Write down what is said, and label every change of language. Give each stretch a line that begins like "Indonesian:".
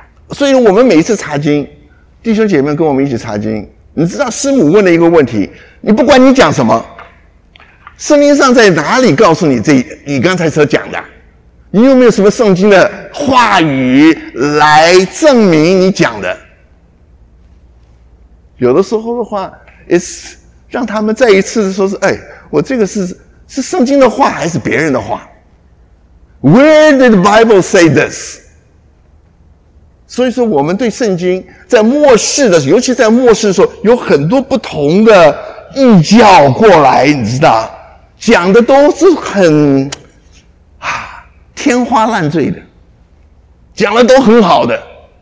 Chinese: 所以我们每一次查经，弟兄姐妹跟我们一起查经，你知道师母问了一个问题，你不管你讲什么，圣经上在哪里告诉你这你刚才所讲的，你有没有什么圣经的话语来证明你讲的。有的时候的话
English: It's
Chinese: 让他们再一次说是，哎，我这个是圣经的话还是别人的话？
English: Where did the Bible say this？
Chinese: 所以说我们对圣经在末世的时候，尤其在末世的时候，有很多不同的异教过来，你知道讲的都是很啊天花乱坠的，讲的都很好的。